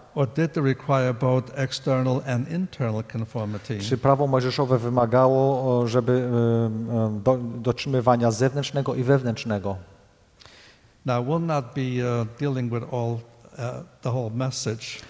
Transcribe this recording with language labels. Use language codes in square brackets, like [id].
[en] Or did it require both external and internal conformity? [pl] Czy prawo mojżeszowe wymagało, żeby dotrzymywania zewnętrznego i wewnętrznego? [en] Now we'll not be dealing with all the whole message.